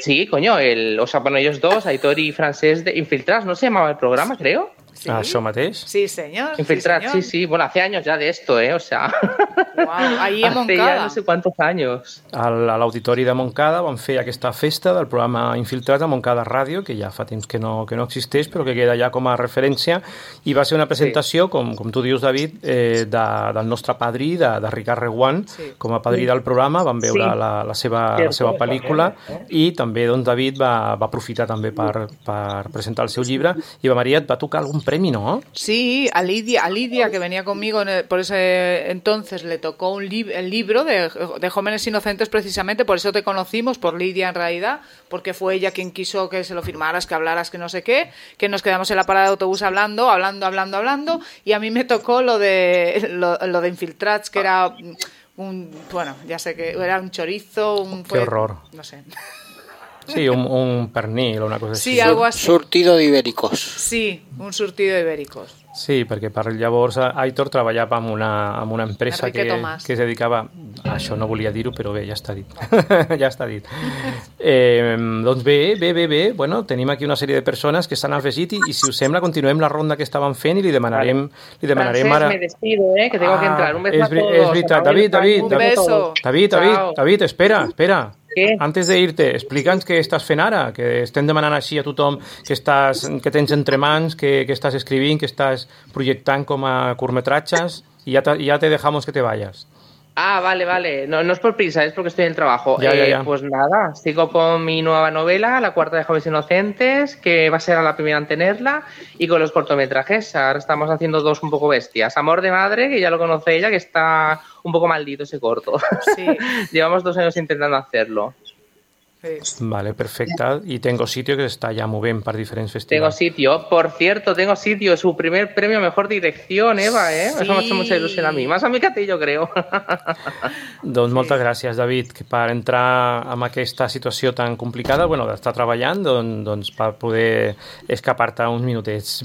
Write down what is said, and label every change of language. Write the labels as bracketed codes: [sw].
[es] Bueno, ellos dos, Aitor y Francesc de Infiltrats, ¿no se llamaba el programa, creo? [ca] Sí. ¿Això mateix? [es] Sí, señor. [ca] Infiltrat, sí. [es] Bueno, hace años ya de esto, ¿eh? O sea... Wow, ahí en Montcada. Hace ya no sé cuántos años. [ca] A l'Auditori de Montcada van fer aquesta festa del programa Infiltrat a Montcada Ràdio, que ja fa temps que no existeix, però que queda ja com a referència. I va ser una presentació, sí. com tu dius, David, del nostre padrí, de Ricard Reguant, sí. Com a padrí del programa. Van veure la seva pel·lícula. I també, doncs, David va aprofitar també per presentar el seu llibre. I va, Maria, et va tocar algun premi, no? [es] Sí, a Lidia que venía conmigo por ese entonces le tocó el libro de Jóvenes Inocentes precisamente, por eso te conocimos, por Lidia en realidad, porque fue ella quien quiso que se lo firmaras, que hablaras, que no sé qué, que nos quedamos en la parada de autobús hablando y a mí me tocó lo de Infiltrats, que era un chorizo, qué horror. No sé. [ca] Sí, un pernil o una cosa [es] sí, algo así. Surtido de ibéricos. Sí, un surtido de ibéricos. [ca] Sí, perquè per llavors Aitor treballava en una empresa que es dedicava... Això no volia dir-ho, però bé, ja està dit. Ja està dit. Doncs bé, bueno, tenim aquí una sèrie de persones que s'han afegit i si us sembla, continuem la ronda que estàvem fent i li demanarem ara... [es] Francesc, me despido, que tengo que entrar. Un beso a todos. [ca] És veritat. David. [es] Un beso. [ca] David, espera. [es] ¿Qué? Antes de irte, [ca] explica'ns què estàs fent ara, que estem demanant així a tothom que tens entre mans, que estàs escrivint, que estàs projectant com a curtmetratges, i [es] ja te dejamos que te vayas. Ah, vale. No es por prisa, es porque estoy en el trabajo. Ya. Pues nada, sigo con mi nueva novela, La Cuarta de Jóvenes Inocentes, que va a ser la primera en tenerla, y con los cortometrajes. Ahora estamos haciendo dos un poco bestias. Amor de Madre, que ya lo conoce ella, que está un poco maldito ese corto. Sí. Llevamos 2 años intentando hacerlo. Vale, perfecta. Y Tengo Sitio, que está ya muy bien para diferentes festivales. Tengo Sitio, por cierto, Tengo Sitio, su primer premio a mejor dirección, Eva, ¿eh? Sí. Eso me ha hecho mucha ilusión a mí, más a mí que a ti, yo creo. [ca] Doncs moltes gràcies, David, que per entrar en aquesta situació tan complicada, bueno, d'estar treballant, doncs per poder escapar-te uns minutets.